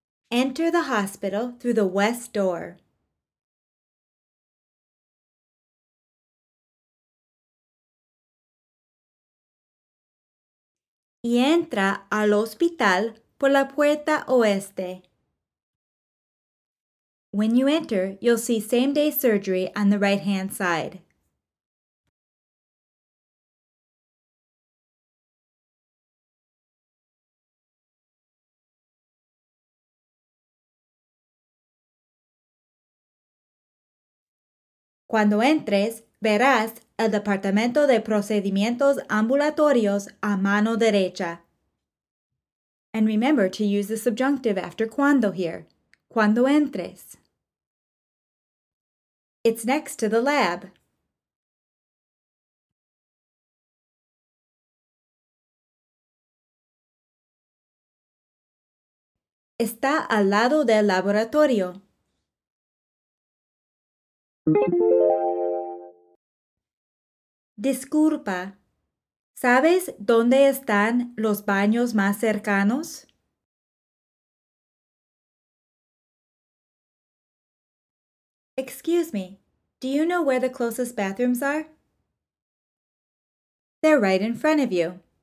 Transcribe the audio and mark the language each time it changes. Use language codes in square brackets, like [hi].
[en] Enter the hospital through the west door. [es] Y entra al hospital por la puerta oeste. [en] When you enter, you'll see same-day surgery on the right-hand side. [es] Cuando entres, verás el departamento de procedimientos ambulatorios a mano derecha. [en] And remember to use the subjunctive after cuando here. [es] Cuando entres. [en] It's next to the lab. [es] Está al lado del laboratorio. Disculpa, ¿sabes dónde están los baños más cercanos? [en] Excuse me, do you know where the closest bathrooms are? They're right in front of you.